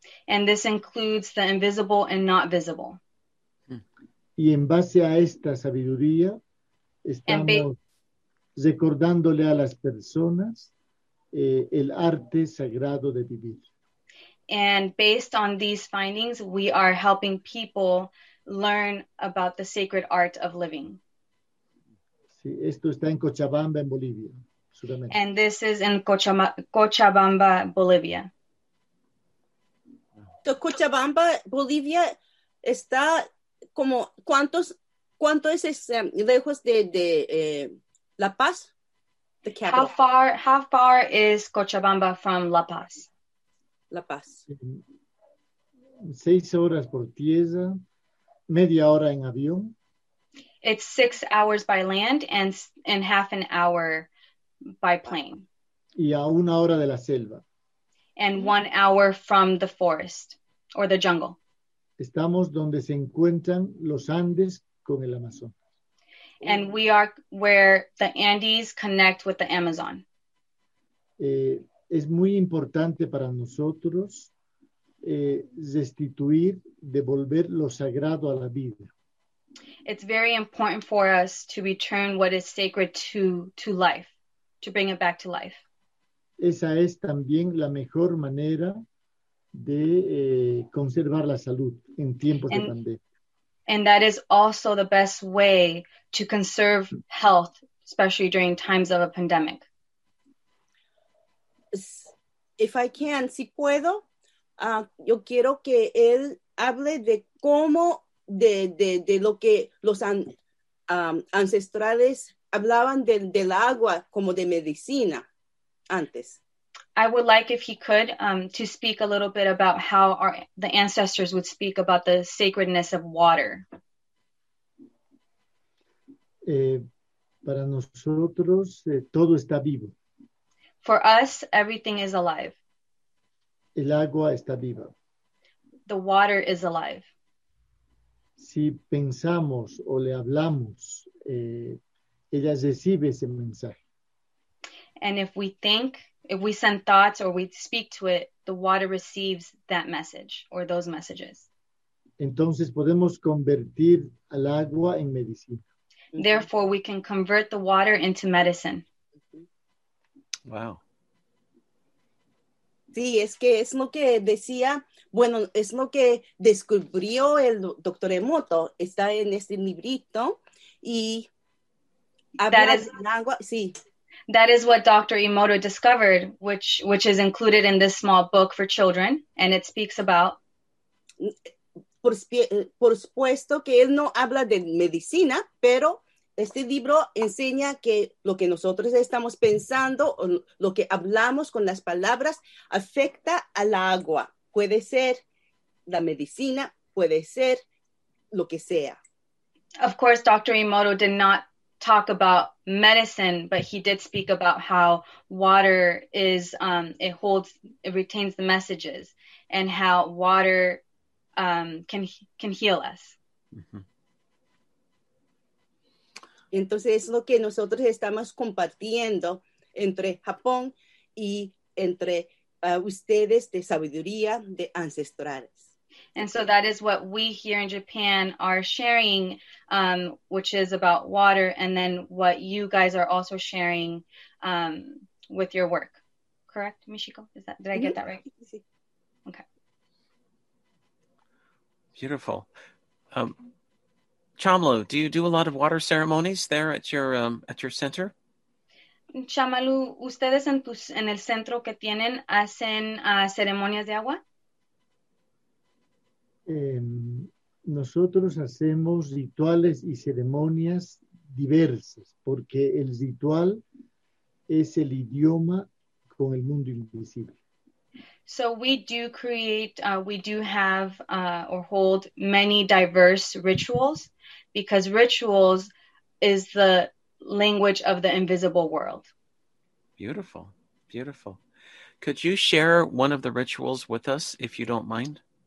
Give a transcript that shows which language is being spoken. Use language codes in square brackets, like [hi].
[en] And this includes the invisible and not visible. [es] Y en base a esta sabiduría, estamos recordándole a las personas el arte sagrado de vivir. [en] And based on these findings, we are helping people learn about the sacred art of living. [es] Sí, esto está en Cochabamba, en Bolivia, Sudamérica. [en] And this is in Cochabamba, Bolivia. [es] Cochabamba, Bolivia, está como, ¿cuánto es lejos de La Paz? [en] The capital. How far is Cochabamba from La Paz? [es] La Paz. 6 horas por tierra, media hora en avión. [en] It's 6 hours by land and half an hour by plane. [es] Y a 1 hora de la selva. [en] And 1 hour from the forest. Or the jungle. [es] Estamos donde se encuentran los Andes con el Amazon. [en] And we are where the Andes connect with the Amazon. [es] Es muy importante para nosotros restituir, devolver lo sagrado a la vida. [en] It's very important for us to return what is sacred to life, to bring it back to life. [es] Esa es también la mejor manera de conservar la salud en tiempos de pandemia. [en] And that is also the best way to conserve health, especially during times of a pandemic. If I can, [es] si puedo, yo quiero que él hable de cómo, de lo que los ancestrales hablaban del agua como de medicina antes. [en] I would like if he could to speak a little bit about how the ancestors would speak about the sacredness of water. [es] Para nosotros, todo está vivo. [en] For us, everything is alive. [es] El agua está viva. [en] The water is alive. [es] Si pensamos o le hablamos, ella recibe ese mensaje. [en] And if we think, if we send thoughts or we speak to it, the water receives that message or those messages. [es] Entonces podemos convertir al agua en medicina. [en] Therefore, we can convert the water into medicine. Wow. [es] Sí, es que es lo que decía, bueno, es lo que descubrió el doctor Emoto, está en este librito, y habla de agua, sí. [en] That is what Dr. Emoto discovered, which is included in this small book for children, and it speaks about. [es] Por supuesto que él no habla de medicina, pero este libro enseña que lo que nosotros estamos pensando o lo que hablamos con las palabras afecta al agua. Puede ser la medicina, puede ser lo que sea. [en] Of course, Dr. Emoto did not talk about medicine, but he did speak about how water is, it holds, it retains the messages, and how water can heal us. Mm-hmm. [es] Entonces, es lo que nosotros estamos compartiendo entre Japón y entre ustedes de sabiduría de ancestrales. [en] And so that is what we here in Japan are sharing, which is about water, and then what you guys are also sharing with your work. Correct, Michiko? Did I get that right? Okay. Beautiful. Chamlu, do you do a lot of water ceremonies there at your center? [es] Chamlu, ¿ustedes en el centro que tienen hacen ceremonias de agua? Nosotros hacemos rituales y ceremonias diversas, porque el ritual es el idioma con el mundo invisible. [en] So we do create, we do have or hold many diverse rituals, because rituals is the language of the invisible world. Beautiful, beautiful. Could you share one of the rituals with us, if you don't mind?